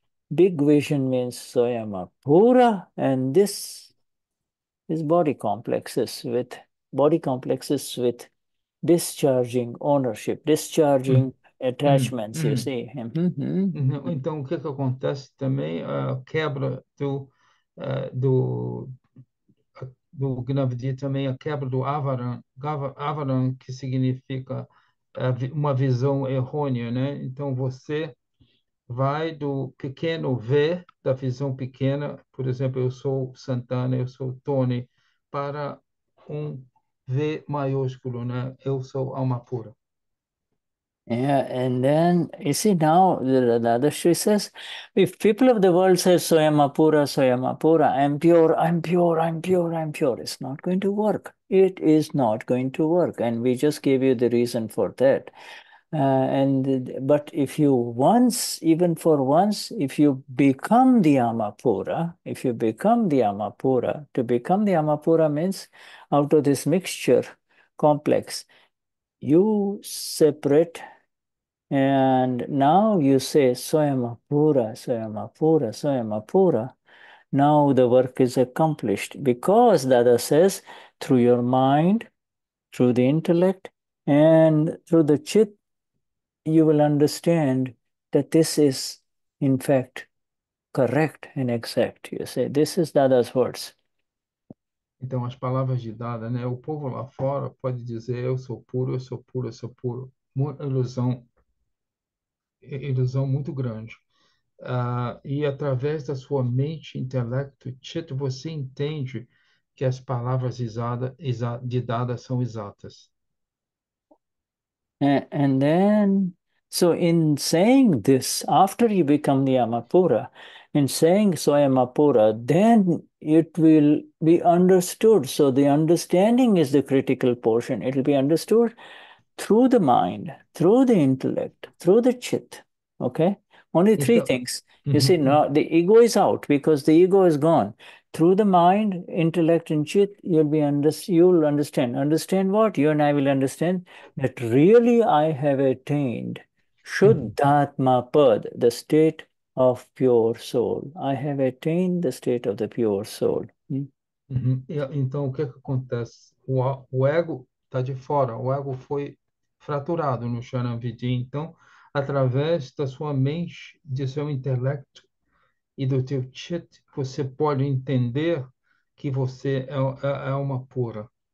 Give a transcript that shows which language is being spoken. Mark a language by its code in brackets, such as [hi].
[en] Big vision means Soyama Pura, and this is body complexes with discharging ownership, discharging attachments, you see. [pt] Então, o que que acontece também, a quebra do Gnavdi, também a quebra do Avaran, que significa uma visão errônea, né? Então, você vai do pequeno V, da visão pequena, por exemplo, eu sou Santana, eu sou Tony, para um V maiúsculo, né? Eu sou alma pura. [en] Yeah, and then you see now the Shri says, if people of the world say Soyama Pura, I'm pure, I'm pure, I'm pure, I'm pure, it's not going to work. It is not going to work. And we just gave you the reason for that. But if you once, even for once, if you become the Amapura, if you become the Amapura, to become the Amapura means out of this mixture complex, you separate. And now you say Soyama Pura, Soyama Pura, Soyama Pura. Now the work is accomplished because Dada says through your mind, through the intellect, and through the chit, you will understand that this is in fact correct and exact. You say this is Dada's words. [pt] Então, as palavras de Dada, né? O povo lá fora pode dizer eu sou puro, eu sou puro, eu sou puro. Uma ilusão muito grande. E através da sua mente, intelecto, chitta, você entende que as palavras de Dada são exatas. [en] And then, so in saying this, after you become the Amapura, in saying Soyamapura, then it will be understood. So the understanding is the critical portion. It will be understood through the mind, through the intellect, through the chit. Okay? Only three [pt] Então, [en] things. You see, no, the ego is out because the ego is gone. Through the mind, intellect, and chit, you'll understand. Understand what? You and I will understand that really I have attained Shuddhatma Pad, the state of pure soul. I have attained the state of the pure soul. [pt] Então, o que é que acontece? O ego está de fora, o ego foi fraturado no Sharanvidin, então. Através da sua mente, de seu intelecto e do teu chit, você pode entender que você é uma pura.